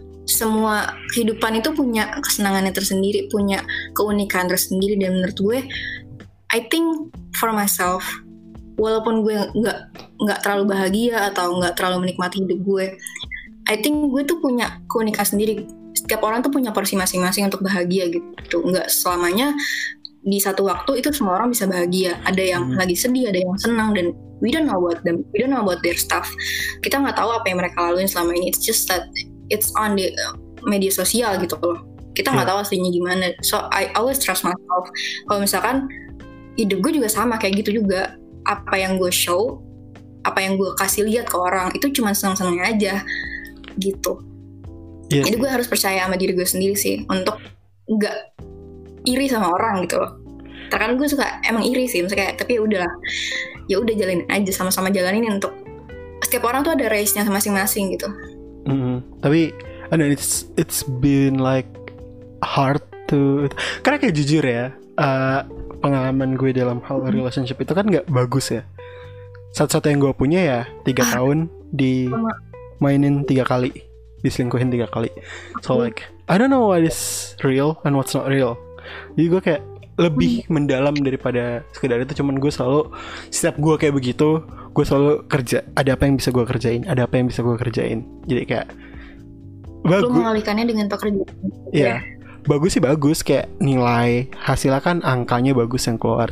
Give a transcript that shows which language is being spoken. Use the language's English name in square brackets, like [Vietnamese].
[Indonesian] Semua kehidupan itu punya kesenangannya tersendiri, punya keunikan tersendiri, dan menurut gue, [English] I think for myself, [Indonesian] walaupun gue gak terlalu bahagia atau gak terlalu menikmati hidup gue, I think gue tuh punya keunikan sendiri. Setiap orang tuh punya porsi masing-masing untuk bahagia gitu. Gak selamanya di satu waktu itu semua orang bisa bahagia. Ada yang lagi sedih, ada yang senang, dan [English] we don't know about them, we don't know about their stuff. [Indonesian] Kita gak tahu apa yang mereka laluin selama ini. [English] It's just that it's on the [Indonesian] media sosial gitu loh. Kita gak tahu aslinya gimana. [English] So I always trust myself. [Indonesian] Kalau misalkan hidup gue juga sama kayak gitu juga, apa yang gue show, apa yang gue kasih lihat ke orang itu cuma seneng-seneng aja gitu. Yeah. Jadi gue harus percaya sama diri gue sendiri sih untuk nggak iri sama orang gitu loh. Terkadang gue suka emang iri sih, misalnya kayak, tapi ya udah jalanin aja, sama-sama jalanin. Untuk setiap orang tuh ada race-nya masing-masing gitu. Tapi [English] and it's been like hard to, [Indonesian] karena kayak jujur ya, pengalaman gue dalam hal relationship itu kan gak bagus ya. Satu-satu yang gue punya ya 3 tahun dimainin 3 kali, diselingkuhin 3 kali. [English] So like, I don't know what is real and what's not real. [Indonesian] Jadi gue kayak lebih mendalam daripada sekedar itu. Cuman gue selalu, setiap gue kayak begitu, gue selalu kerja, ada apa yang bisa gue kerjain, ada apa yang bisa gue kerjain. Jadi kayak lu mengalihkannya dengan pekerjaan. Iya, bagus sih bagus, kayak nilai hasilnya kan angkanya bagus yang keluar.